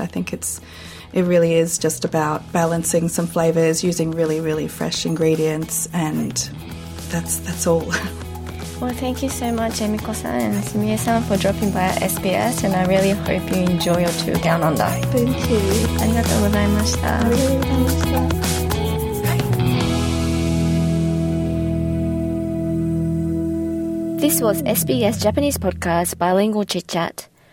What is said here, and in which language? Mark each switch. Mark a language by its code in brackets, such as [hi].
[en] I think it really is just about balancing some flavors, using really, really fresh ingredients, and that's all. Well, thank you so much, Emiko-san and Sumie-san, for dropping by at SBS, and I really hope you enjoy your tour down under. Thank you. [ja] ありがとうございました。ありがとうございました。 [en] This was SBS Japanese Podcast Bilingual Chit Chat.